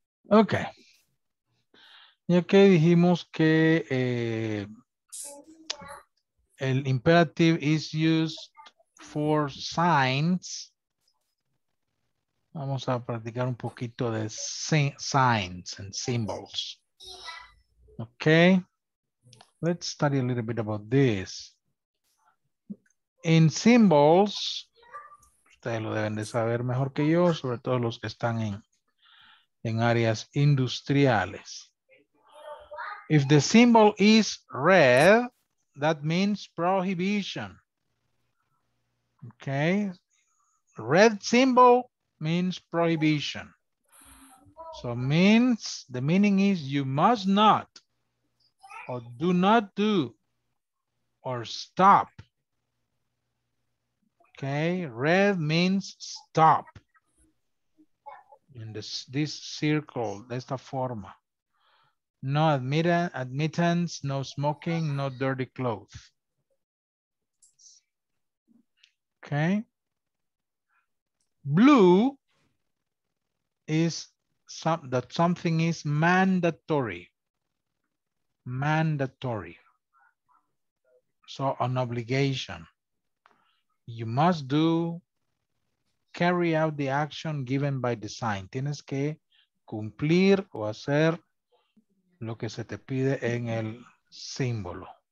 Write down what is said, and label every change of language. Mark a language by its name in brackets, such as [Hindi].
[Spanish] Okay. Ya que dijimos que el [English] imperative is used for signs, [Spanish] vamos a practicar un poquito de [English] signs and symbols. Okay, let's study a little bit about this. In symbols, [Spanish] ustedes lo deben de saber mejor que yo, sobre todo los que están en áreas industriales. [English] If the symbol is red, that means prohibition. Okay. Red symbol means prohibition. So means the meaning is you must not or do not do or stop. Okay. Red means stop. In this circle, [Spanish] de esta forma. [English] No admittance, no smoking, no dirty clothes. Okay. Blue is that something is mandatory. Mandatory. So an obligation. You must do, carry out the action given by the sign. [Spanish] Tienes que cumplir o hacer lo que se te pide en el símbolo.